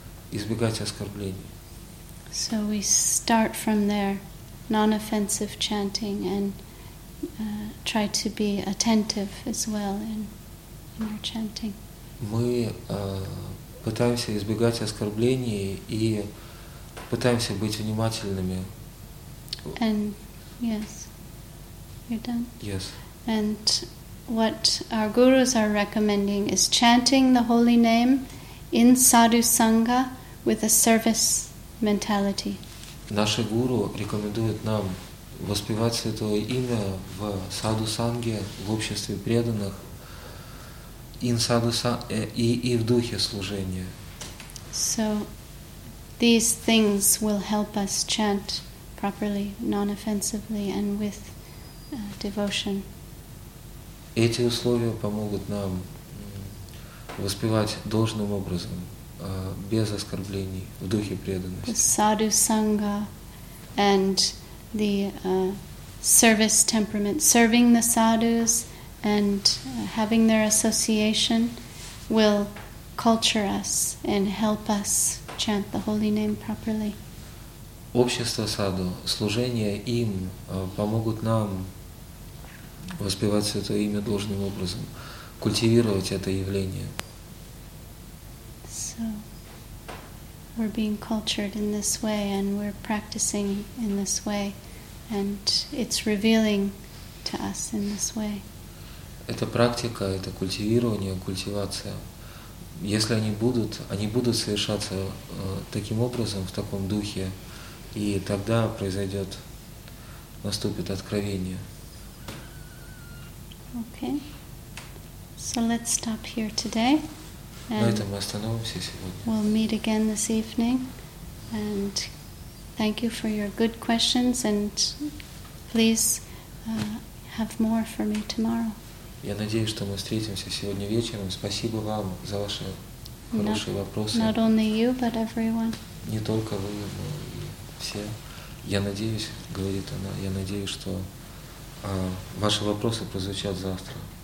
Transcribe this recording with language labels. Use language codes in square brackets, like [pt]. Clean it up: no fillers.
[en] So we start from there, non-offensive chanting, and try to be attentive as well in our chanting. [ru] Мы пытаемся избегать оскорблений и пытаемся быть внимательными. [en] And yes, you're done? Yes. And what our gurus are recommending is chanting the holy name in sadhu sangha with a service mentality. [ru] Наши гуру рекомендуют нам воспевать святое имя в саду санге, в обществе преданных, и в духе служения. [en] So these things will help us chant properly, non-offensively, and with devotion. [ru] Эти условия помогут нам воспевать должным образом, без оскорблений, в духе преданности. [en] The sadhu sangha and the service temperament, serving the sadhus and having their association will culture us and help us chant the holy name properly. [ru] Общество саду, служение им помогут нам воспевать Святое Имя должным образом, культивировать это явление. [en] So, we're being cultured in this way, and we're practicing in this way, and it's revealing to us in this way. [ru] Это практика, это культивирование, культивация. Если они будут совершаться таким образом, в таком духе, и тогда произойдет, наступит откровение. [en] Okay, so let's stop here today. [ru] На этом мы остановимся сегодня. [en] We'll meet again this evening, and thank you for your good questions, and please have more for me tomorrow. [ru] Я надеюсь, что мы встретимся сегодня вечером. Спасибо вам за ваши хорошие вопросы. [en] Not only you, but everyone. [ru] Не только вы, но и все. Я надеюсь, говорит она, я надеюсь, что ваши вопросы прозвучат завтра.